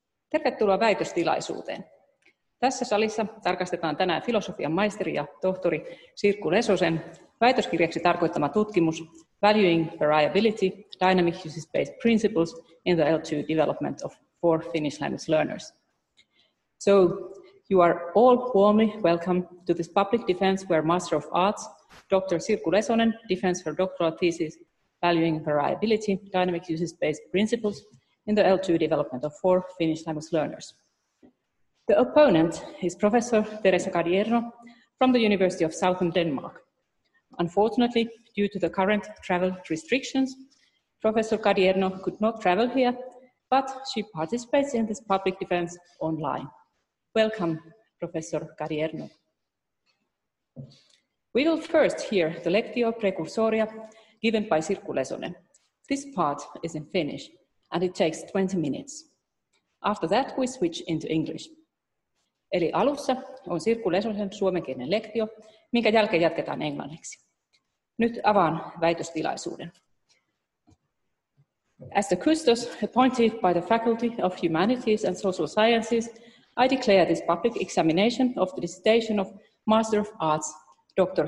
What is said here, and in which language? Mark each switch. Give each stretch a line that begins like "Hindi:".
Finnish: Tervetuloa väitöstilaisuuteen. Tässä salissa tarkastetaan tänään filosofian maisteri ja tohtori Sirkku Lesosen väitöskirjaksi tarkoittama tutkimus Valuing Variability, Dynamic Usage-Based Principles in the L2 Development of Four Finnish Language Learners.
English: So, you are all warmly welcome to this public defense where Master of Arts, Dr. Sirkku Lesonen, defends her doctoral thesis Valuing Variability, Dynamic Usage-Based Principles in the L2 development of four Finnish language learners. The opponent is Professor Teresa Cadierno from the University of Southern Denmark. Unfortunately, due to the current travel restrictions, Professor Cadierno could not travel here, but she participates in this public defense online. Welcome, Professor Cadierno. We will first hear the Lectio Precursoria given by Sirkku Lesonen. This part is in Finnish, and it takes 20 minutes. After that, we switch into English.
Finnish: Eli alussa on Sirkku Lesosen suomenkielinen lektio, minkä jälkeen jatketaan englanniksi. Nyt avaan väitöstilaisuuden.
English: As the custos appointed by the Faculty of Humanities and Social Sciences, I declare this public examination of the dissertation of Master of Arts, Dr.